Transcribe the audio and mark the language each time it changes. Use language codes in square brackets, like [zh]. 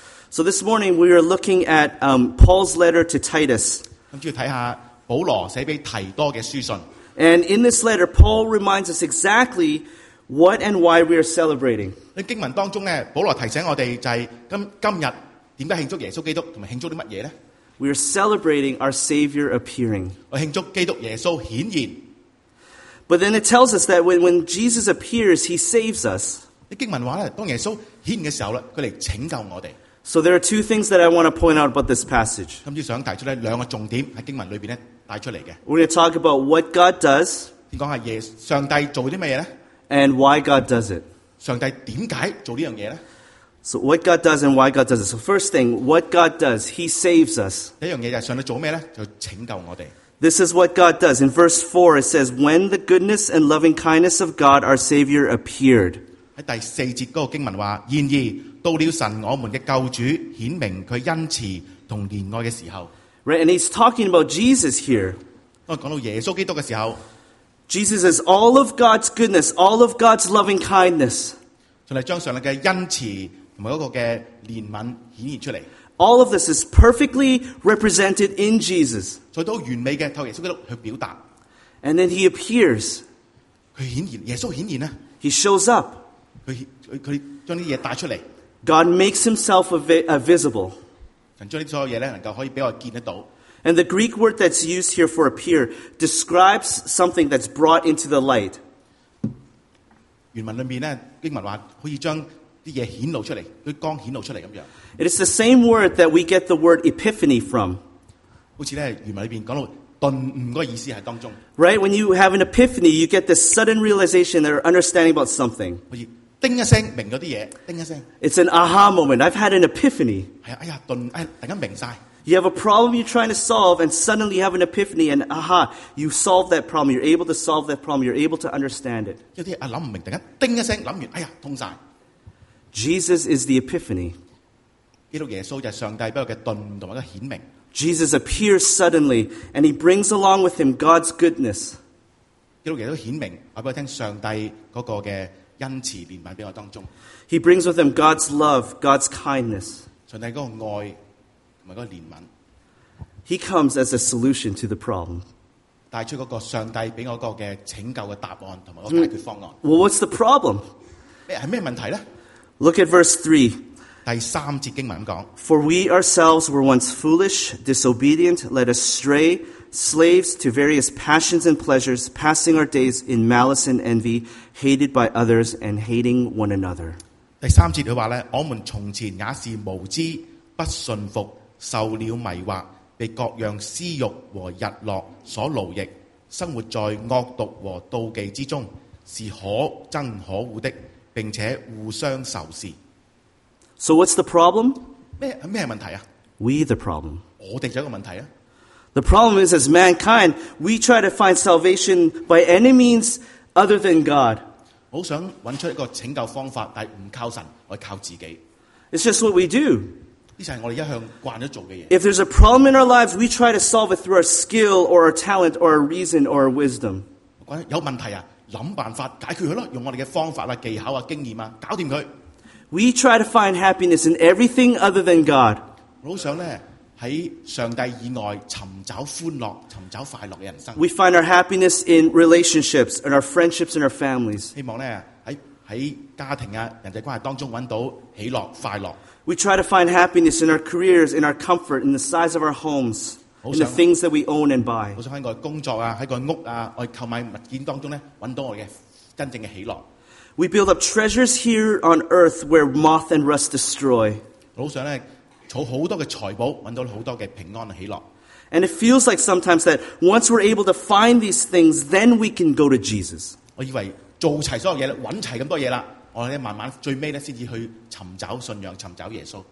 [en] So this morning we are looking at Paul's letter to Titus. And in this letter, Paul reminds us exactly what and why we are celebrating. [yue] 在经文当中呢，保罗提醒我们就是今日为何庆祝耶稣基督和庆祝什么呢？ [en] We are celebrating our Savior appearing. [yue] 我庆祝基督耶稣显现。 [en] But then it tells us that when Jesus appears, he saves us. [yue] 经文说呢，当耶稣显现的时候呢，他来拯救我们。 [en] So there are two things that I want to point out about this passage. [yue] 今天想带出呢，两个重点在经文里面呢，带出来的。 [en] We're going to talk about what God does. [yue] 讲下耶稣，上帝做什么呢？ [en] and why God does it. [yue] 上帝点解做呢样嘢咧？ [en] So what God does and why God does it. So first thing, what God does, He saves us. [yue] 一样嘢就系上帝做咩咧？就拯救我哋。 [en] This is what God does. In verse 4, it says, "When the goodness and loving kindness of God, our Savior, appeared." [yue] 在第四节嗰个经文话，然而到了神我们嘅救主显明佢恩慈同怜爱嘅时候。 [en] Right, and He's talking about Jesus here. [yue] 当讲到耶稣基督嘅时候 [en] ，Jesus is all of God's goodness, all of God's loving kindness. [yue] 上帝将上帝嘅恩慈同埋嗰个嘅怜悯显现出嚟。 [en] All of this is perfectly represented in Jesus. [yue] 在都完美嘅透耶稣基督去表达。 [en] And then he appears. [yue] 佢显现，耶稣显现啊。 [en] He shows up. [yue] 佢将啲嘢带出嚟。 [en] God makes himself visible. [yue] 神将啲所有嘢咧，能够可以俾我见得到。 [en] And the Greek word that's used here for appear describes something that's brought into the light. [yue] 原文里面咧，经文话可以将啲嘢显露出嚟，佢光显露出嚟咁样。 [en] It is the same word that we get the word epiphany from. [yue] 好似咧，原文里边讲到顿悟嗰个意思喺当中。 [en] Right, when you have an epiphany, you get this sudden realization or understanding about something. [yue] 好似叮一声明咗啲嘢，叮一声。 [en] It's an aha moment. I've had an epiphany. [yue] 系啊，哎呀，顿，哎，突然间明晒。 [en] You have a problem you're trying to solve, and suddenly you have an epiphany, and aha, you solve that problem. You're able to solve that problem. You're able to understand it. [yue] 有啲啊谂唔明，突然间叮一声谂完，哎呀，通晒。 [en] Jesus is the epiphany. [yue] 基督耶稣就系上帝俾我嘅顿悟同埋嘅显明。 [en] Jesus appears suddenly, and he brings along with him God's goodness. [yue] 基督耶稣显明，话俾我听上帝嗰个嘅恩慈怜悯俾我当中。 [en] He brings with him God's love, God's kindness. [yue] 上帝嗰个爱同埋嗰个怜悯。 [en] He comes as a solution to the problem. [yue] 带出嗰个上帝俾我嗰个嘅拯救嘅答案同埋个解决方案。 [en] Well, what's the problem? [yue] 系咩问题咧？ [en] Look at verse 3. [yue] 第三节经文讲， [en] For we ourselves were once foolish, disobedient, led astray, slaves to various passions and pleasures, passing our days in malice and envy, hated by others and hating one another. [yue] 第三节他说，我们从前也是无知，不顺服，受了迷惑，被各样私欲和日落所奴役，生活在恶毒和妒忌之中，是可憎可恶的，并且互相仇视。 [en] So what's the problem? [yue] 咩系问题啊？ [en] We the problem. [yue] 我哋就一个问题啊。 [en] The problem is as mankind, we try to find salvation by any means other than God. [yue] 我好想揾出一个拯救方法，但系唔靠神，我靠自己。 [en] It's just what we do. [yue] 呢就系我哋一向惯咗做嘅嘢。 [en] If there's a problem in our lives, we try to solve it through our skill or our talent or our reason or our wisdom. [yue] 有问题啊？想办法解决佢咯，用我哋嘅方法啦、技巧啊、经验啊，搞掂佢。 [en] We try to find happiness in everything other than God。 [yue] 我好想咧喺上帝以外寻找欢乐、寻找快乐嘅人生。 [en] We find our happiness in relationships, in our friendships, in our families。 [yue] 希望咧喺家庭啊、人际关系当中揾到喜乐、快乐。 [en] We try to find happiness in our careers, in our comfort, in the size of our homes。 In the things that we own and buy. [yue] 我想喺个工作啊，喺个屋啊，我购买物件当中咧，揾到我嘅真正嘅喜乐。 [en] We build up treasures here on earth where moth and rust destroy. [yue] 我想咧储好多嘅财宝，揾到好多嘅平安喜乐。 [en] And it feels like sometimes that once we're able to find these things, then we can go to Jesus. [yue] 我以为做齐所有嘢啦，揾齐咁多嘢啦，我咧慢慢最尾咧先至去寻找信仰，寻找耶稣。